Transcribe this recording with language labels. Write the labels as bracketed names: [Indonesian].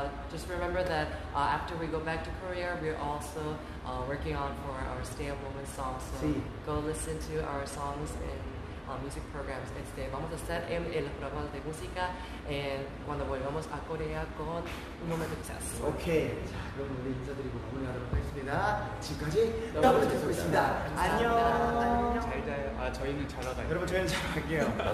[English] Just remember that after we go back to Korea, we're also working on for our Stay a Moment song. So [Spanish] sí. [English] Go listen to our songs and music programs. [Spanish] Este, vamos a estar en los programas de música cuando volvamos a Corea con un momento de jazz. Okay. [Korean] 자, 그럼 우리 인사드리고 마무리하도록 하겠습니다. 지금까지 W24였습니다. 안녕. 잘 자요. 아, 저희는 잘 나가요. 여러분, 저희는 잘 갈게요.